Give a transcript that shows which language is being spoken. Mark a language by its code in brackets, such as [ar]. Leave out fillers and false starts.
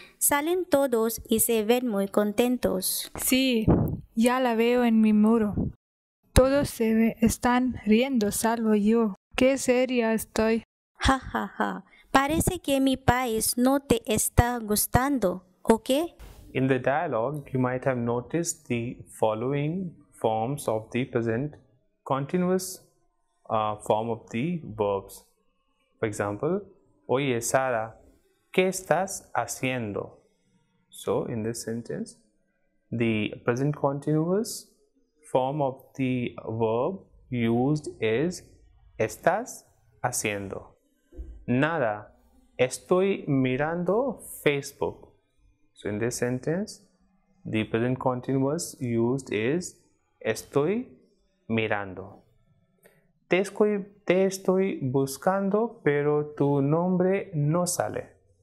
[es] Salen todos y se ven muy contentos. Sí, ya la veo en mi muro. Todos se están riendo, salvo yo. Qué seria estoy. Ja, ja, ja. Parece que mi país no te está gustando, ¿ok? [en] In the dialogue, you might have noticed the following forms of the present continuous form of the verbs. For example, [es] oye, Sara, ¿qué estás haciendo? [en] So, in this sentence, the present continuous form of the verb used is [es] estás haciendo. Nada, estoy mirando Facebook. [en] So in this sentence, the present continuous used is [es] estoy mirando. Te estoy buscando, pero tu nombre no sale.